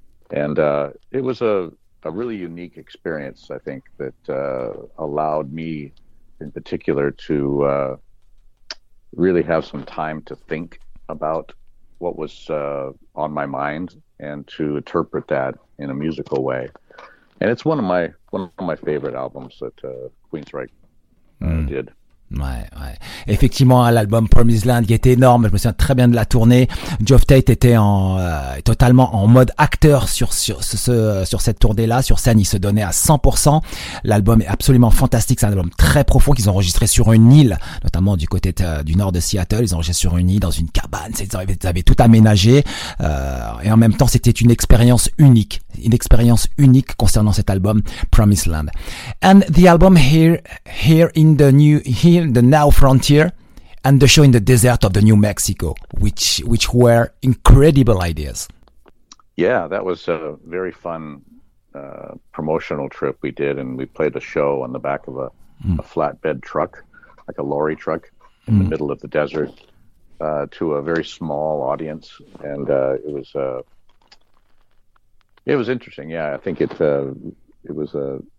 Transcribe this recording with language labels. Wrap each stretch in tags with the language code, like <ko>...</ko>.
<en>And it was a really unique experience, I think, that allowed me in particular to really have some time to think about what was on my mind and to interpret that in a musical way. And it's one of my favorite albums that Queensryche did.</en> <fr>Ouais. Effectivement, l'album Promised Land qui était énorme, je me souviens très bien de la tournée. Geoff Tate était en totalement en mode acteur sur cette tournée là sur scène, il se donnait à 100%. L'album est absolument fantastique, c'est un album très profond qu'ils ont enregistré sur une île, notamment du côté du nord de Seattle. Ils ont enregistré sur une île dans une cabane, ils avaient tout aménagé, et en même temps c'était une expérience unique concernant cet album Promised Land.</fr> <en>And the album here in the new the Now Frontier and the show in the desert of the New Mexico, which were incredible ideas. Yeah, that was a very fun promotional trip we did, and we played a show on the back of a flatbed truck, like a lorry truck, in the middle of the desert to a very small audience, and it was interesting. Yeah, I think it was a</en>